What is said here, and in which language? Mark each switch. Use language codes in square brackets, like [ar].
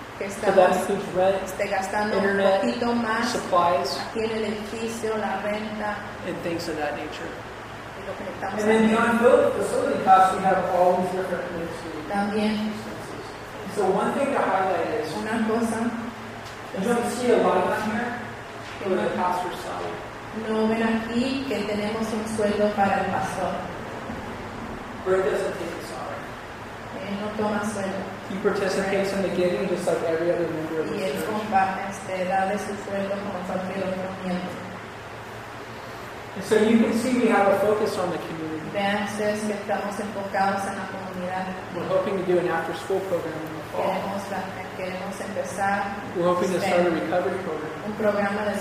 [en] So that includes rent, internet, supplies, and things of that nature. And then beyond the facility costs, we have all these different things. So one thing to highlight is, [es] una cosa, [en] you don't see a lot of them here for the pastor's salary. [es] No ven aquí que tenemos un sueldo para el pastor. [en] Bert doesn't take a salary. [es] Él no toma sueldo. [en] He participates in the giving just like every other member of the church. [es] Y él comparte, dale su sueldo como cualquier otro miembro. [en] So you can see we have a focus on the community. [es] Vean ustedes que estamos enfocados en la comunidad. [en] We're hoping to do an after-school program. We're hoping to start a recovery program.